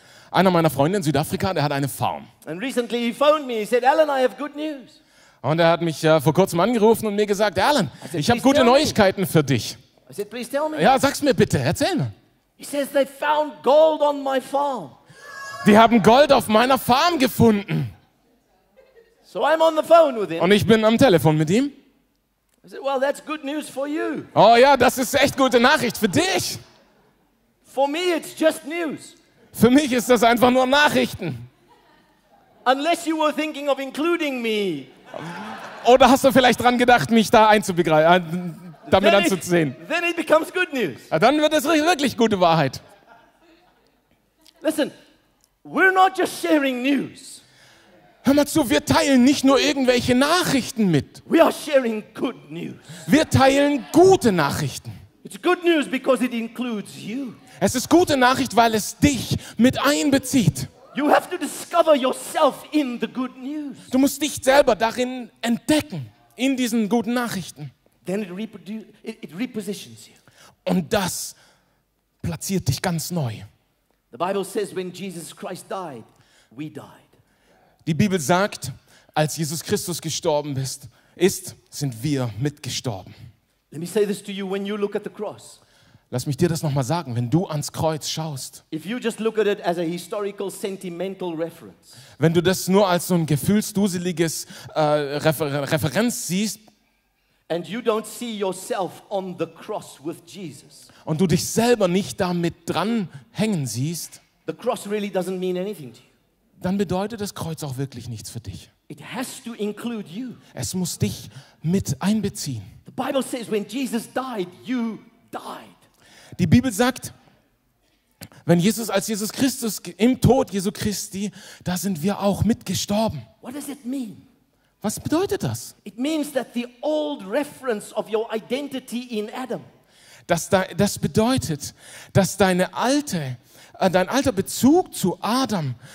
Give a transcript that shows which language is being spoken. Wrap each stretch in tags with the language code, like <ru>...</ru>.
<de>Einer meiner Freunde in Südafrika, der hat eine Farm.</de> <en>And recently he phoned me. He said, "Alan, I have good news."</en> <de>Und er hat mich vor kurzem angerufen und mir gesagt, Alan, ich habe gute Neuigkeiten für dich.</de> <en>I said, please tell me.</en> <de>Ja, sag's mir bitte, erzähl mir.</de> <en>He says they found gold on my farm.</en> <de>Die haben Gold auf meiner Farm gefunden.</de> <en>So I'm on the phone with him.</en> <de>Und ich bin am Telefon mit ihm.</de> <en>I said, well, that's good news for you.</en> <de>Oh ja, das ist echt gute Nachricht für dich.</de> <en>For me it's just news.</en> <de>Für mich ist das einfach nur Nachrichten.</de> <en>Unless you were thinking of including me.</en> <de>Oder hast du vielleicht dran gedacht, mich da einzubegreifen, damit</de> <en>then</en> <de>anzusehen?</de> <en>It, then it becomes good news.</en> <de>Ja, dann wird es wirklich gute Wahrheit.</de> <en>Listen, we're not just sharing news.</en> <de>Hör mal zu, wir teilen nicht nur irgendwelche Nachrichten mit.</de> <en>We are sharing good news.</en> <de>Wir teilen gute Nachrichten.</de> <en>It's good news because it includes you.</en> <de>Es ist gute Nachricht, weil es dich mit einbezieht.</de> <en>You have to discover yourself in the good news.</en> <de>Du musst dich selber darin entdecken, in diesen guten Nachrichten.</de> <en>Then it repositions you.</en> <de>Und das platziert dich ganz neu.</de> <en>The Bible says when Jesus Christ died, we died.</en> <de>Die Bibel sagt, als Jesus Christus gestorben ist, sind wir mitgestorben.</de> <en>Let me say this to you when you look at the cross.</en> <de>Lass mich dir das nochmal sagen, wenn du ans Kreuz schaust,</de> <en>if you just look at it as a historical, sentimental reference,</en> <de>wenn du das nur als so ein gefühlsduseliges Referenz siehst</de> <en>and you don't see yourself on the cross with Jesus,</en> <de>und du dich selber nicht damit dran hängen siehst,</de> <en>the cross really doesn't mean anything to you.</en> <de>Dann bedeutet das Kreuz auch wirklich nichts für dich.</de> <en>It has to include you.</en> <de>Es muss dich mit einbeziehen.</de> <en>The Bible says, when Jesus died, you died.</en> <de>Die Bibel sagt, wenn Jesus als Jesus Christus im Tod Jesu Christi, da sind wir auch mitgestorben.</de> <en>What does it mean?</en> <de>Was bedeutet das?</de> <en>It means that the old reference of your identity in Adam.</en> <de>Das bedeutet, dass dein alter Bezug zu Adam.</de>